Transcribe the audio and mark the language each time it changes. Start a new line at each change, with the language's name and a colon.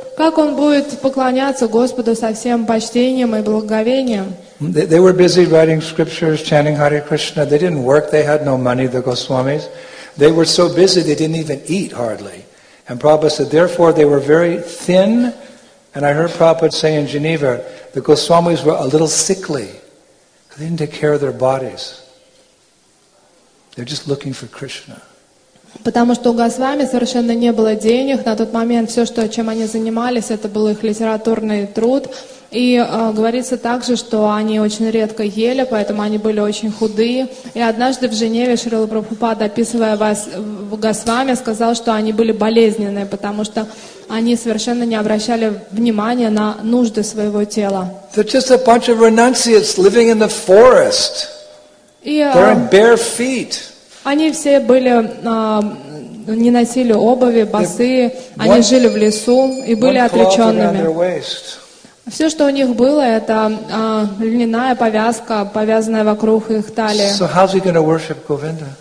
Russian: Как он будет поклоняться Господу со всем почтением и благоговением?
English: They were busy writing scriptures, chanting Hare Krishna. They didn't work, they had no money, the Goswamis. They were so busy, they didn't even eat hardly. And Prabhupada said, therefore, they were very thin. And I heard Prabhupada say in Geneva, the Goswamis were a little sickly. They didn't take care of their bodies. They're just looking for Krishna.
Russian: Потому что у Госвами совершенно не было денег. На тот момент все, что, чем они занимались, это был их литературный труд. И говорится также, что они очень редко ели, поэтому они были очень худые. И однажды в Женеве Шрила Прабхупада, описывая вас в Госвами, сказал, что они были болезненные, потому что они совершенно не обращали внимания на нужды своего тела.
English: They're just a bunch of renunciates living in the forest. They're in bare feet.
Russian: Они все были, не носили обуви, босые, они жили в лесу и были отреченными. Все, что у них было, это льняная повязка, повязанная вокруг их талии.